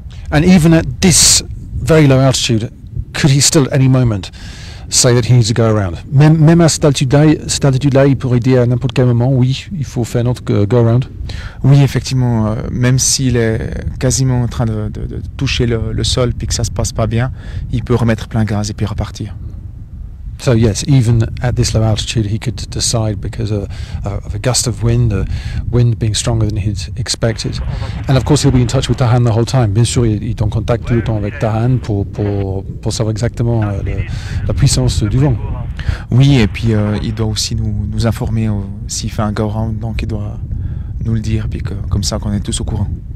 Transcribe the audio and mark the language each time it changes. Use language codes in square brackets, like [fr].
[en] And even at this very low altitude, could he still at any moment say that he needs to go around? [fr] Même à cette altitude-là, il pourrait dire à n'importe quel moment, oui, il faut faire notre go around. Oui, effectivement, même s'il est quasiment en train de toucher le sol puis que ça se passe pas bien, il peut remettre plein gaz et puis repartir. [en] So yes, even at this low altitude, he could decide because of a gust of wind, the wind being stronger than he'd expected. And of course, he'll be in touch with Tahan the whole time. [fr] Bien sûr, il est en contact tout le temps avec Tahan pour savoir exactement la puissance du vent. Oui, et puis il doit aussi nous informer s'il fait un go-round, donc il doit nous le dire, puis que, comme ça qu'on est tous au courant.